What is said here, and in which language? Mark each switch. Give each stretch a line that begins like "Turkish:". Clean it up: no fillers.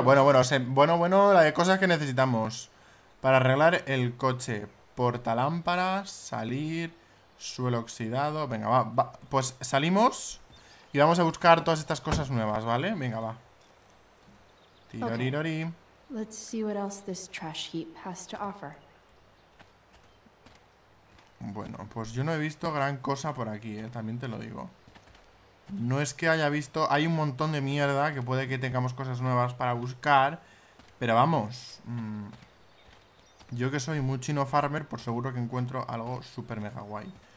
Spanish: Bueno, la de cosas que necesitamos para arreglar el coche. Portalámparas, salir, suelo oxidado. Venga, va, va. Pues salimos y vamos a buscar todas estas cosas nuevas, ¿vale? Venga, va. Tirorirori.
English: Okay. Let's see what else this trash heap has to offer.
Spanish: Bueno, pues yo no he visto gran cosa por aquí, también te lo digo. No es que haya visto, hay un montón de mierda que puede que tengamos cosas nuevas para buscar. Pero vamos, yo que soy muy chino farmer, por seguro que encuentro algo super mega guay.